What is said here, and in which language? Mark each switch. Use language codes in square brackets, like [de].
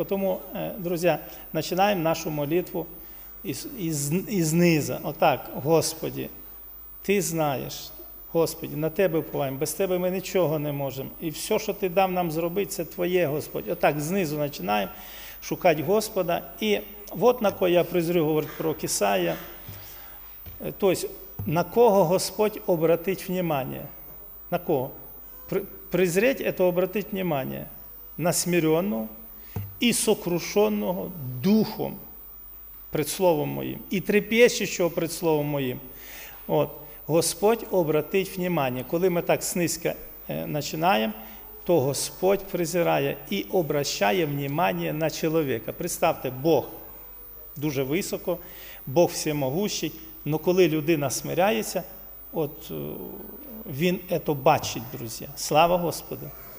[uk] Тому, друзі, починаємо нашу молитву із низа. Отак, Господі, ти знаєш, Господі, на тебе впливаємо, без тебе ми нічого не можемо. І все, що ти дав нам зробити, це твоє, Господь. Отак, знизу починаємо шукати Господа. І от на кого я призрю говорить про Кісая. [ru] Тобто, на кого Господь обратить внимание? На кого? Призреть – это обратить внимание на смиренного и сокрушенного духом пред Словом Моим и трепещущего пред Словом Моим. От. Господь обратить внимание. [uk] Коли ми так снизька починаємо, то Господь призирає і [ru] обращає внимание [uk] на чоловіка. Представте, Бог дуже високо, Бог всемогущий, но коли людина смиряється, от він це бачить, друзі. Слава Господу!